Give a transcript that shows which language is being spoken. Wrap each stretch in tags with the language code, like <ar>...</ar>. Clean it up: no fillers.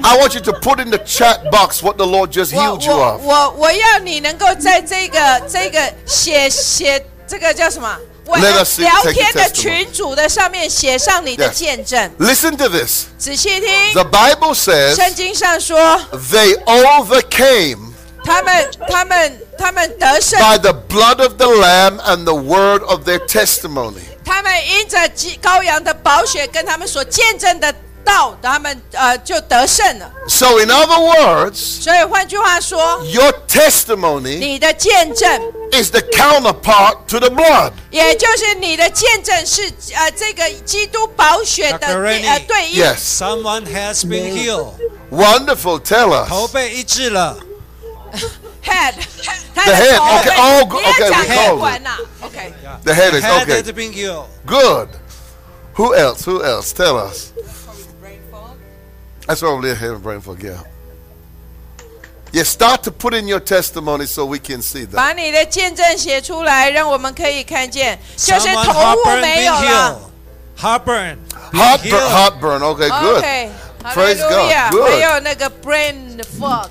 <en>I want you to put in the chat box what the Lord just healed you of.</en> <zh>我要你能够在这个写这个叫什么？我要聊天的群组的上面写上你的见证。</zh> <en>Listen to this.</en> <zh>仔细听。</zh> <en>The Bible says.</en> <zh>圣经上说。</zh> <en>They overcame.</en> <zh>他们得胜。</zh> <en>By the blood of the Lamb and the word of their testimony.</en> <zh>他们因着羔羊的宝血跟他们所见证的。</zh> <en>So in other words,</en> <zh>所以换句话说,</zh> <en>your testimony,</en> <zh>你的见证,</zh> <en>is the counterpart to the blood.</en> <zh>也就是你的见证是, 这个基督宝血的,</zh> <en>Dr. Renny,</en> <zh>对应。</zh> <en>Yes. Someone has been healed. Wonderful, tell us.</en> <zh>头被医治了。</zh> <en>Head. The head. Okay, all good. Okay, we call it. Okay. The head is okay. The head has been healed. Good. Who else? Who else? Tell us. That's probably a heaven brain for girl. Yeah, start to put in your testimony so we can see that.</en> <zh>把你的见证写出来，让我们可以看见，就是头部没有了。</zh> <en>Someone heartburn. Okay, good. Okay. Praise God. Good.</en> <zh>还有那个 brain fog.</zh>